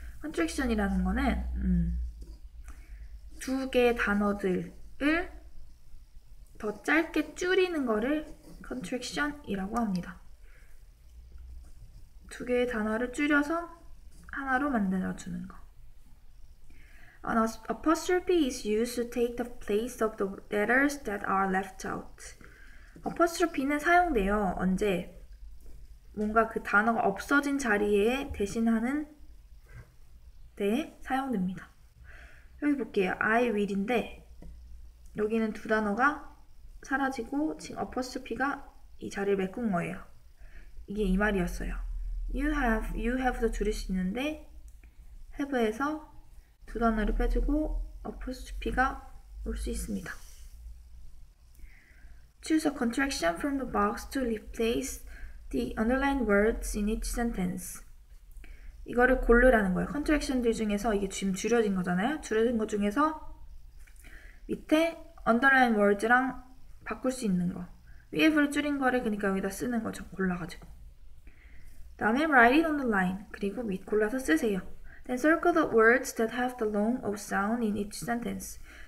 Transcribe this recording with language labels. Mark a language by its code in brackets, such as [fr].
[ko] 컨트랙션이라는 거는 두개 단어들을 더 짧게 줄이는 거를 컨트랙션이라고 합니다. 두 개의 단어를 줄여서 하나로 만들어주는 거. [en] An apostrophe is used to take the place of the letters that are left out. [ko] Apostrophe는 사용돼요. 언제 뭔가 그 단어가 없어진 자리에 대신하는 데 사용됩니다. 여기 볼게요. I will인데 여기는 두 단어가 사라지고 지금 apostrophe가 이 자리를 메꾼 거예요. 이게 이 말이었어요. You have도 줄일 수 있는데 have에서 두 단어를 빼주고 apostrophe가 올수 있습니다. [en] Choose a contraction from the box to replace the underlined words in each sentence. [ko] 이거를 고르라는 거예요. contractions 중에서 이게 지금 줄여진 거잖아요. 줄여진 것 중에서 밑에 underlined words랑 바꿀 수 있는 거. 위에 불 줄인 거를 그러니까 여기다 쓰는 거죠. 골라가지고. 다음에 write it on the line. 그리고 밑 골라서 쓰세요. [en] Then circle the words that have the long of sound in each sentence.